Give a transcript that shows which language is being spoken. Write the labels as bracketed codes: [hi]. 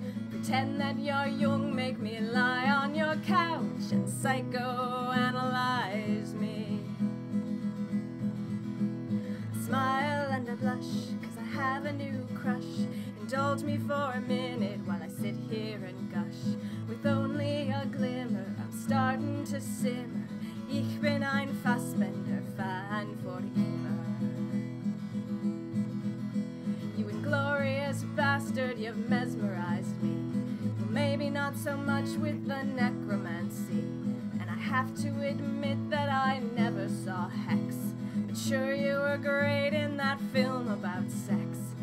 [en] Pretend that you're young, make me lie on your couch and psychoanalyze me. I smile and I blush, 'cause I have a new crush. Indulge me for a minute while I sit here and gush. With only a glimmer, I'm starting to simmer. [de] Ich bin ein Fassbender Fan for immer. [en] You inglorious bastard, you've mesmerized me. Maybe not so much with the necromancy, and I have to admit that I never saw Hex. But sure, you were great in that film about sex.